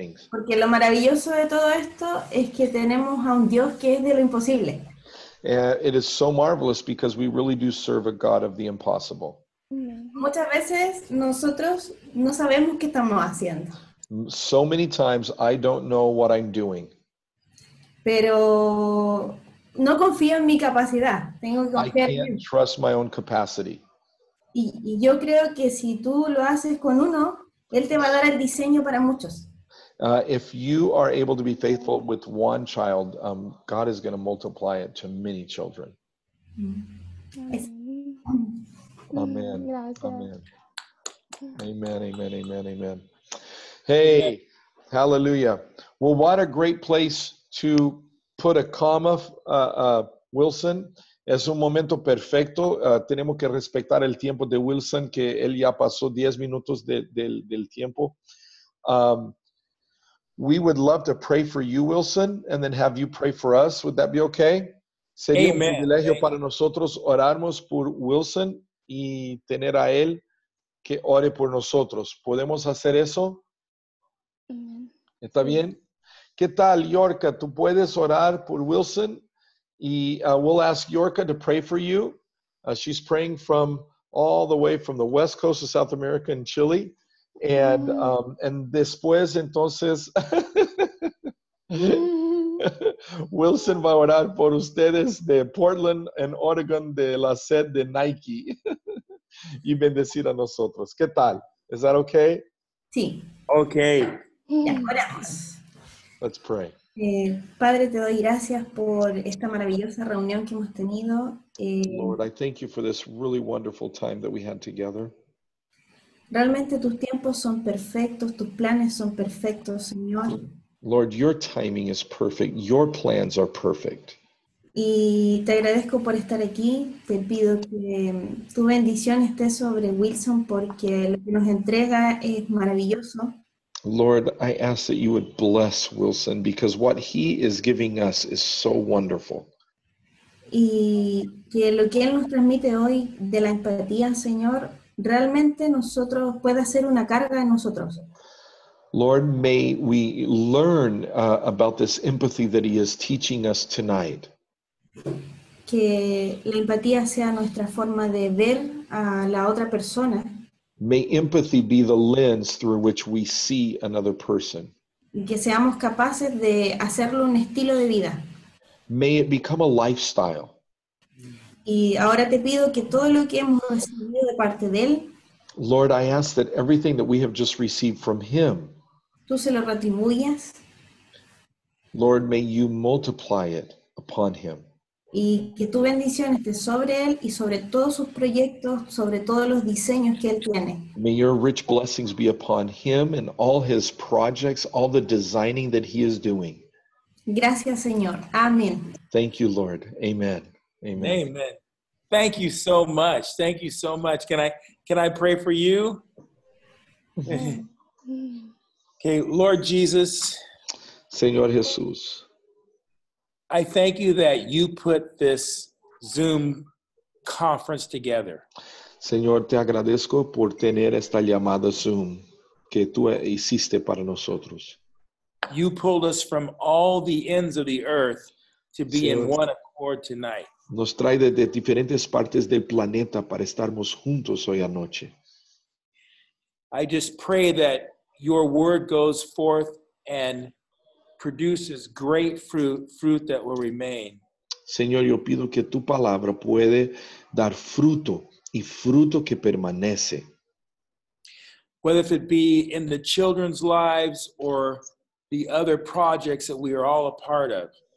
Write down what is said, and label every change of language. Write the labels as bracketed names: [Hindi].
[Spanish] Porque lo maravilloso de todo esto es que tenemos a un Dios que es de lo imposible. [English] It is so marvelous because we really do serve a God of the impossible. [Spanish] Muchas veces nosotros no sabemos qué estamos haciendo. [English] So many times I don't know what I'm doing. [Spanish] Pero no confío en mi capacidad. Tengo que confiar en [English] Dios. I can't trust my own capacity. [Spanish] Y yo creo que si tú lo haces con uno, Él te va a dar el diseño para muchos. [English] If you are able to be faithful with one child, God is going to multiply it to many children. Amen. Amen. Amen, amen, amen, amen. Hey, hallelujah. Well, what a great place to put a comma, Wilson. [Spanish] Es un momento perfecto. Tenemos que respetar el tiempo de Wilson, que él ya pasó 10 minutos del tiempo. [English] We would love to pray for you, Wilson, and then have you pray for us. Would that be okay? Sería Amen. [Spanish] Un privilegio para nosotros orarmos por Wilson y tener a él que ore por nosotros. ¿Podemos hacer eso? ¿Está bien? ¿Qué tal, Yorka? ¿Tú puedes orar por Wilson? [English] Y we'll ask Yorka to pray for you. She's praying from all the way from the west coast of South America and Chile. And and [Spanish] después, entonces, Wilson va a orar por ustedes de Portland en Oregon, de la sede de Nike, y bendecir a nosotros. ¿Qué tal? [English] Is that okay? [Spanish] Sí. [English] Okay. [Spanish] Ya oramos. [English] Let's pray. [Spanish] Padre, te doy gracias por esta maravillosa reunión que hemos tenido. [English] Lord, I thank you for this really wonderful time that we had together. [Spanish] Realmente tus tiempos son perfectos, tus planes son perfectos, Señor. [English] Lord, your timing is perfect. Your plans are perfect. [Spanish] Y te agradezco por estar aquí. Te pido que tu bendición esté sobre Wilson porque lo que nos entrega es maravilloso. [English] Lord, I ask that you would bless Wilson because what he is giving us is so wonderful. [Spanish] Y que lo que él nos transmite hoy de la empatía, Señor, realmente nosotros pueda ser una carga en nosotros. [English] Lord, may we learn about this empathy that he is teaching us tonight. [Spanish] Que la empatía sea nuestra forma de ver a la otra persona. [English] May empathy be the lens through which we see another person. [Spanish] Y que seamos capaces de hacerlo un estilo de vida. [English] May it become a lifestyle. [Spanish] Y ahora te pido que todo lo que hemos recibido de parte de él. [English] Lord, I ask that everything that we have just received from him. [Spanish] Tú se lo retribuyas. [English] Lord, may you multiply it upon him. [Spanish] Y que tu bendición esté sobre él y sobre todos sus proyectos, sobre todos los diseños que él tiene. [English] May your rich blessings be upon him and all his projects, all the designing that he is doing. [Spanish] Gracias, Señor. Amén. [English] Thank you, Lord. Amen. Amen. Amen. Thank you so much. Thank you so much. Can I pray for you? Okay, Lord Jesus. [Spanish] Señor Jesús. [English] I thank you that you put this Zoom conference together. [Spanish] Señor, te agradezco por tener esta llamada Zoom que tú hiciste para nosotros. [English] You pulled us from all the ends of the earth to be, Señor, in one accord tonight. [Spanish] Nos trae de diferentes partes del planeta para estarmos juntos hoy anoche. [English] I just pray that your word goes forth and produces great fruit that will remain. [Spanish] Señor, yo pido que tu palabra puede dar fruto y fruto que permanece. [English] Whether if it be in the children's lives or the other projects that we are all a part of.